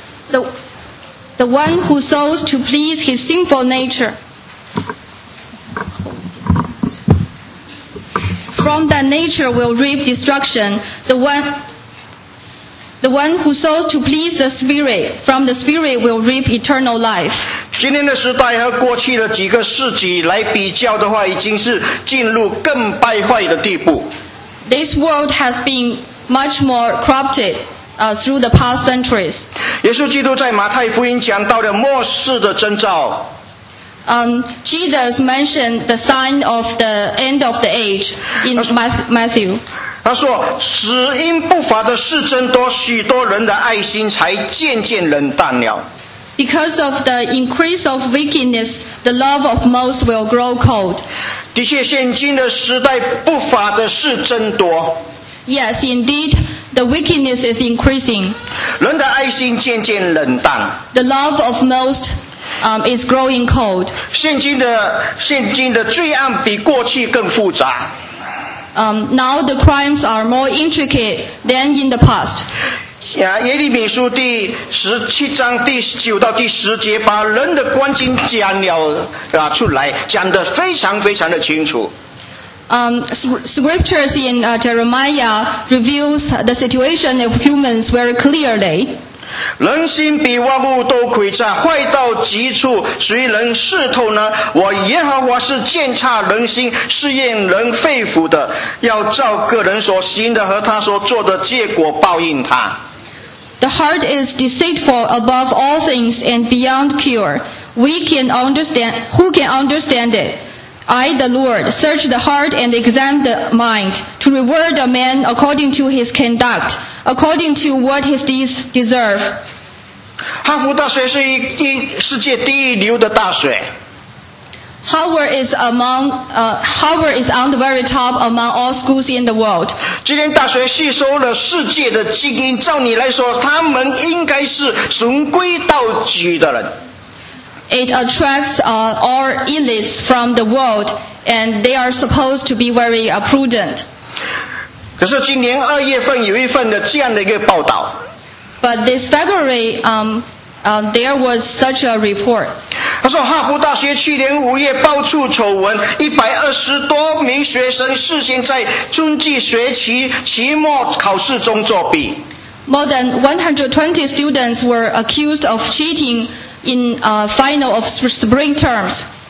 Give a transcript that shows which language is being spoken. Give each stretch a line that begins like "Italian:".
English: The one who sows to please his sinful nature, from that nature will reap destruction. The one who sows to please the Spirit, from the Spirit will reap eternal life.
Chinese: 今天的时代和过去的几个世纪来比较的话，已经是进入更败坏的地步。
English: This world has been much more corrupted, through the past centuries.
Chinese: 耶稣基督在马太福音讲到的末世的征兆。
English: Jesus mentioned the sign of the end of the age in Matthew.
Chinese: 他说，只因不法的事增多，许多人的爱心才渐渐冷淡了。
English: Because of the increase of wickedness, the love of most will grow cold.
Chinese: 的确，现今的时代不法的事增多。
English: Yes, indeed, the wickedness is increasing.
Chinese: 人的爱心渐渐冷淡。
English: The love of most, is growing cold.
Chinese: 现今的罪案比过去更复杂。
English: Now the crimes are more intricate than in the past.
Chinese: 耶利米书第十七章第九到第十节把人的光景讲了出来，讲得非常非常的清楚。
English: Scriptures in Jeremiah reveals the situation of humans very clearly.
Chinese: 人心比万物都诡诈，坏到极处，谁能试透呢？我耶和华是鉴察人心，试验人肺腑的，要照个人所行的和他所做的结果报应他。
English: The heart is deceitful above all things and beyond cure. Who can understand it? I, the Lord, search the heart and examine the mind to reward a man according to his conduct, according to what his deeds deserve.
Chinese: 哈佛大学是一世界第一流的大学。
English: Howard is on the very top among all schools in the world.
Chinese: 今天大学吸收了世界的精英，照你来说，他们应该是循规蹈矩的人。
English: It attracts all elites from the world, and they are supposed to be very prudent.
Chinese: 可是今年二月份有一份的这样的一个报道。
English: But this February, there was such a report.
Chinese: 他说哈佛大学去年五月爆出丑闻，120多名学生事先在春季学期期末考试中作弊。
English: More than 120 students were accused of cheating in a final of spring terms.